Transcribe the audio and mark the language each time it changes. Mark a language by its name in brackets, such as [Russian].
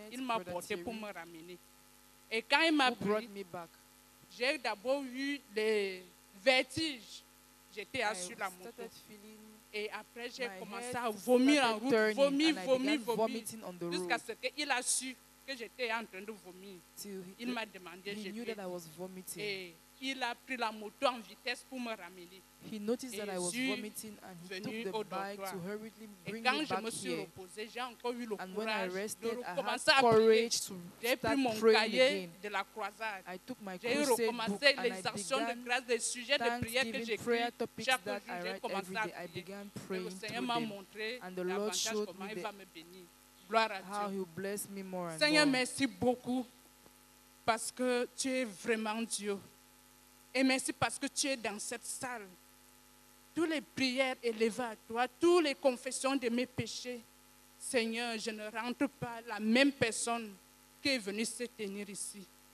[French] Il m'a porté pour me ramener. Et quand il m'a pris, j'ai d'abord eu les vertiges. J'étais assis la moto. Et après, j'ai commencé à vomir en route. Vomir, vomir, vomir. Jusqu'à ce qu'il a su que j'étais en train de vomir. Il m'a demandé. [English] He knew that I was vomiting. [French] Et il a pris la moto en vitesse pour me ramener. [English] He noticed that I was vomiting and he took the bike to hurriedly bring me back here. [French] Et quand je me suis reposé, j'ai encore eu le courage. [English] And when I rested, I had courage to start praying again. [French] De la croisade. [English] I took my crusade book and I began prayer topics that I write every day. I began praying through them. And the Lord showed me the how he blessed me more and [French] Seigneur, [English] more. [French] Merci beaucoup parce que tu es vraiment Dieu. Et merci parce que tu es dans cette salle. Toutes les prières élevées à toi, toutes les confessions de mes péchés, Seigneur, je ne rentre pas la même personne qui est venue se tenir ici.